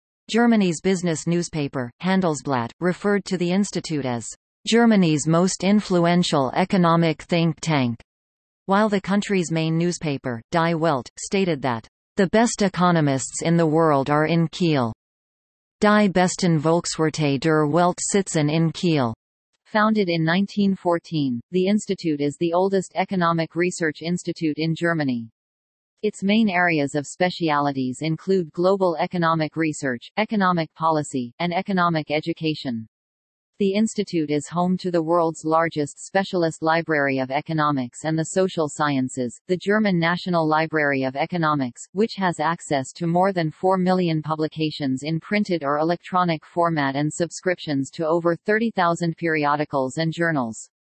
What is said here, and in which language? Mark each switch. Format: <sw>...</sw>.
<en>Germany's business newspaper, Handelsblatt, referred to the institute as Germany's most influential economic think tank, while the country's main newspaper, Die Welt, stated that the best economists in the world are in Kiel.</en> <de>Die besten Volkswirte der Welt sitzen in Kiel.</de> <en>Founded in 1914, the institute is the oldest economic research institute in Germany. Its main areas of specialities include global economic research, economic policy, and economic education. The institute is home to the world's largest specialist library of economics and the social sciences, the German National Library of Economics, which has access to more than 4 million publications in printed or electronic format and subscriptions to over 30,000 periodicals and journals.</en>